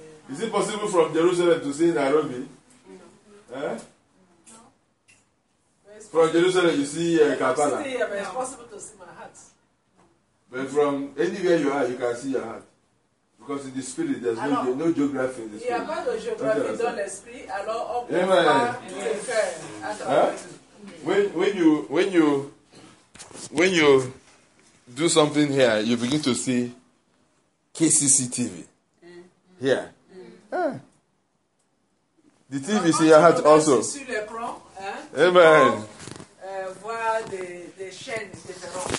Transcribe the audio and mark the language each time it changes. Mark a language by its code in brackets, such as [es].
[en] Is it possible from Jerusalem to see Nairobi? No. From Jerusalem, you see Kampala. Yeah, it's possible to see my heart. But from anywhere you are, you can see your heart. Because in the spirit, there's no geography in the spirit. [fr] Il n'y a pas de géographie dans l'esprit, alors on peut pas le faire. [en] When you do something here, you begin to see KCC TV. Here. The TV is in your heart also. [fr] Sur l'écran, [en] Amen. [fr] Voir des chaînes, etc.